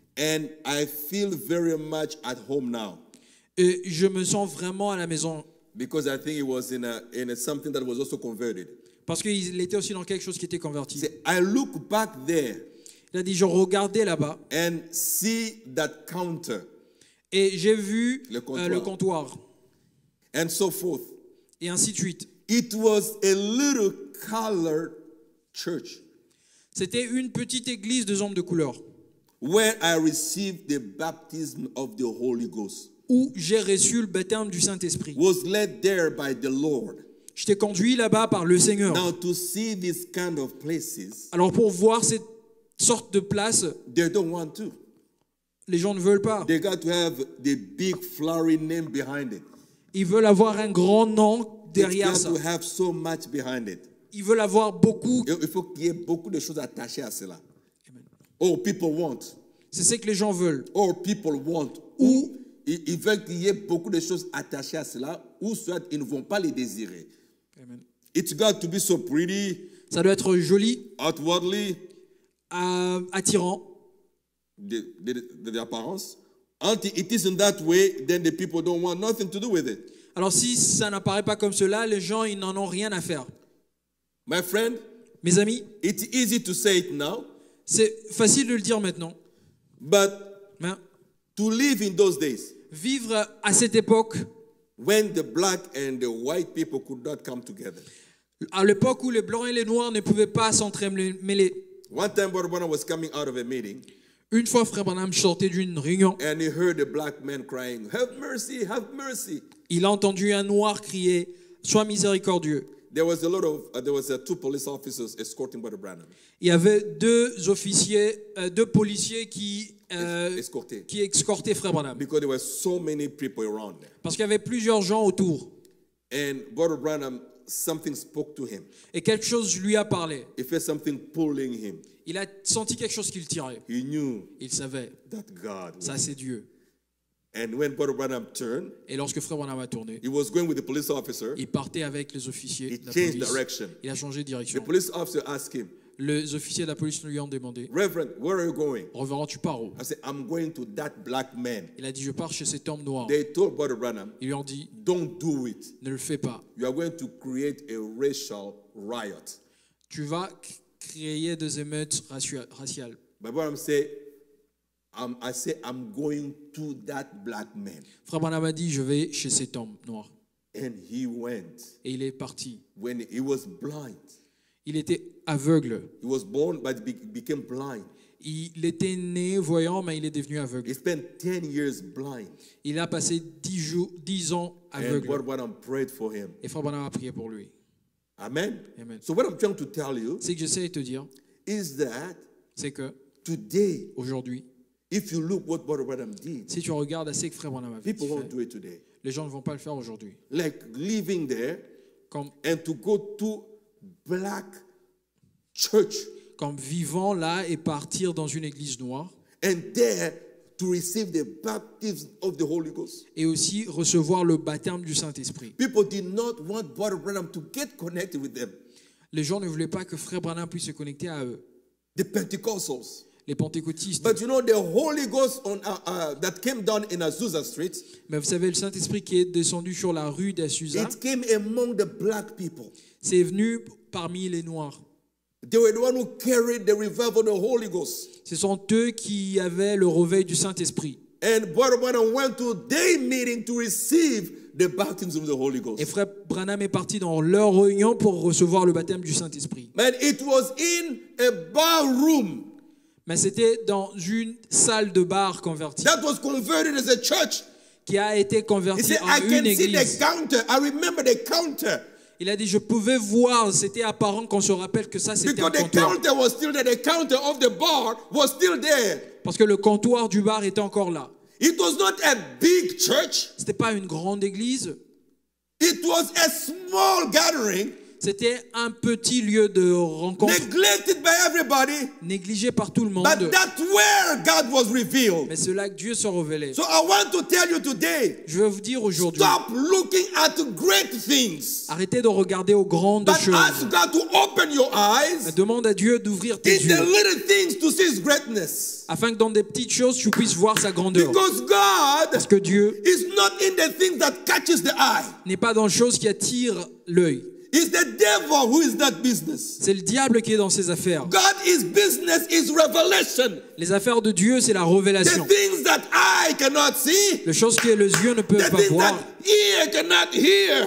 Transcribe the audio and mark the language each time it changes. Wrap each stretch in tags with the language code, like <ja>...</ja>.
<en>And I feel very much at home now.</en> <fr>Et je me sens vraiment à la maison.</fr> <en>Because I think it was in a something that was also converted.</en> <fr>Parce qu'il était aussi dans quelque chose qui était converti.</fr> <en>See, I look back there.</en> <fr>Il a dit, je regardais là-bas.</fr> <en>And see that counter.</en> <fr>Et j'ai vu le comptoir.</fr> <en>And so forth.</en> <fr>Et ainsi de suite.</fr> <en>It was a little colored church.</en> <fr>C'était une petite église de hommes de couleur.</fr> <en>Where I received the baptism of the Holy Ghost.</en> <fr>Où j'ai reçu le baptême du Saint-Esprit.</fr> <en>Was led there by the Lord.</en> <fr>J'étais conduit là-bas par le Seigneur.</fr> <en>Now to see this kind of places.</en> <fr>Alors pour voir cette sorte de place.</fr> <en>They don't want to.</en> <fr>Les gens ne veulent pas.</fr> <en>They got to have the big flowery name behind it.</en> <fr>Ils veulent avoir un grand nom derrière ça.</fr> <en>They got to have so much behind it.</en> <fr>Ils veulent avoir beaucoup. Il faut qu'il y ait beaucoup de choses attachées à cela.</fr> <en>Or people want.</en> <fr>C'est ce que les gens veulent.</fr> <en>Or people want.</en> <fr>Ou ils veulent qu'il y ait beaucoup de choses attachées à cela, ou soit ils ne vont pas les désirer.</fr> <en>Amen. It's got to be so pretty.</en> <fr>Ça doit être joli.</fr> <en>Outwardly.</en> <fr>Attirant.</fr> <en>The appearance. Until it isn't that way, then the people don't want nothing to do with it.</en> <fr>Alors si ça n'apparaît pas comme cela, les gens ils n'en ont rien à faire.</fr> <en>My friend,</en> <fr>mes amis,</fr> <en>it's easy to say it now.</en> <fr>C'est facile de le dire maintenant.</fr> <en>But to live in those days.</en> <fr>Vivre à cette époque.</fr> <en>When the black and the white people could not come together.</en> <fr>À l'époque où les blancs et les noirs ne pouvaient pas s'entremêler.</fr> <en>One time, Brother Branham was coming out of a meeting.</en> <fr>Une fois, Frère Branham sortait d'une réunion.</fr> <en>And he heard a black man crying, "Have mercy, have mercy."</en> <fr>Il a entendu un noir crier, "Sois miséricordieux."</fr> <en>There was a lot of there was two police officers escorting Brother Branham.</en> <fr>Il y avait deux policiers qui escortaient Frère Branham.</fr> <en>Because there were so many people around.</en> <fr>Parce qu'il y avait plusieurs gens autour.</fr> <en>And Brother Branham, something spoke to him.</en> <fr>Et quelque chose lui a parlé.</fr> <en>He felt something pulling him.</en> <fr>Il a senti quelque chose qui le tirait.</fr> <en>He knew.</en> <fr>Il savait.</fr> <en>That God.</en> <fr>Ça c'est Dieu.</fr> <en>And when Brother Branham turned,</en> <fr>et lorsque Frère Branham a tourné,</fr> <en>he was going with the police officer.</en> <fr>Il partait avec les officiers</fr> <en>he</en> <fr>de la police.</fr> <en>Changed direction.</en> <fr>Il a changé de direction.</fr> <en>The police officer asked him,</en> <fr>les officiers de la police lui ont demandé,</fr> <en>"Reverend, where are you going?"</en> <fr>Reverend, tu pars où?</fr> <en>I said, "I'm going to that black man."</en> <fr>Il a dit, je pars chez cet homme noir.</fr> <en>They told Brother Branham,</en> <fr>ils lui ont dit,</fr> <en>"Don't do it."</en> <fr>Ne le fais pas.</fr> <en>You are going to create a racial riot.</en> <fr>Tu vas créer des émeutes raciales.</fr> <en>But Branham said, I say I'm going to that black man.</en> <fr>Frère Branham a dit, je vais chez cet homme noir.</fr> <en>And he went.</en> <fr>Et il est parti.</fr> <en>When he was blind.</en> <fr>Il était aveugle.</fr> <en>He was born but became blind.</en> <fr>Il était né voyant mais il est devenu aveugle.</fr> <en>He spent 10 years blind.</en> <fr>Il a passé 10 ans aveugle.</fr> <en>And Branham prayed for him.</en> <fr>Et Frère Branham a prié pour lui.</fr> <en>Amen.</en> <fr>Amen.</fr> <en>So what I'm trying to tell you.</en> <fr>C'est que j'essaie de te dire.</fr> <en>Is that?</en> <fr>C'est que.</fr> <en>Today.</en> <fr>Aujourd'hui.</fr> <en>If you look what Brother Branham did,</en> <fr>si tu regardes à ce que Frère Branham a fait,</fr> <en>people won't do it today.</en> <fr>Les gens ne vont pas le faire aujourd'hui.</fr> <en>Like living there,</en> <fr>comme,</fr> <en>and to go to black church.</en> <fr>Comme vivant là et partir dans une église noire.</fr> <en>And there to receive the baptism of the Holy Ghost.</en> <fr>Et aussi recevoir le baptême du Saint-Esprit.</fr> <en>People did not want Brother Branham to get connected with them.</en> <fr>Les gens ne voulaient pas que Frère Branham puisse se connecter à eux.</fr> <en>The Pentecostals.</en> <fr>Les pentecôtistes.</fr> <en>But you know the Holy Ghost on that came down in Azusa Street.</en> <fr>Mais vous savez le Saint-Esprit qui est descendu sur la rue d'Azusa.</fr> <en>It came among the black people.</en> <fr>C'est venu parmi les noirs.</fr> <en>They were the ones who carried the revival of the Holy Ghost.</en> <fr>Ce sont eux qui avaient le réveil du Saint-Esprit.</fr> <en>And Brother Branham went to their meeting to receive the baptism of the Holy Ghost.</en> <fr>Et Frère Branham est parti dans leur réunion pour recevoir le baptême du Saint-Esprit.</fr> <en>But it was in a bar room.</en> <fr>Mais c'était dans une salle de bar convertie.</fr> <en>That was converted as a church.</en> <fr>Qui a été convertie en une église.</fr> <en>He said, "I can see the counter. I remember the counter."</en> <fr>Il a dit, je pouvais voir, c'était apparent qu'on se rappelle que ça, c'était un comptoir. Parce que le comptoir du bar était encore là.</fr> <en>It was not a big church.</en> <fr>C'était pas une grande église.</fr> <en>It was a small gathering.</en> <fr>C'était un petit lieu de rencontre.</fr> <en>Neglected by everybody.</en> <fr>Négligé par tout le monde.</fr> <en>But that's where God was revealed.</en> <fr>Mais c'est là que Dieu se révélait.</fr> <en>So I want to tell you today.</en> <fr>Je veux vous dire aujourd'hui.</fr> <en>Stop looking at great things.</en> <fr>Arrêtez de regarder aux grandes</fr> <en>but</en> <fr>choses.</fr> <en>Ask God to open your eyes.</en> <fr>Mais demande à Dieu d'ouvrir tes yeux.</fr> <en>In the little things to see his greatness.</en> <fr>Afin que dans des petites choses tu puisses voir sa grandeur.</fr> <en>Because God.</en> <fr>Parce que Dieu.</fr> <en>Is not in the things that catches the eye.</en> <fr>N'est pas dans les choses qui attirent l'œil.</fr> <en>It's the devil who is that business.</en> <fr>C'est le diable qui est dans ses affaires.</fr> <en>God is business is revelation.</en> <fr>Les affaires de Dieu, c'est la révélation.</fr> <en>The things that eye cannot see.</en> <fr>Les choses que les yeux ne peuvent pas voir.</fr> <en>The things that ear cannot hear.</en>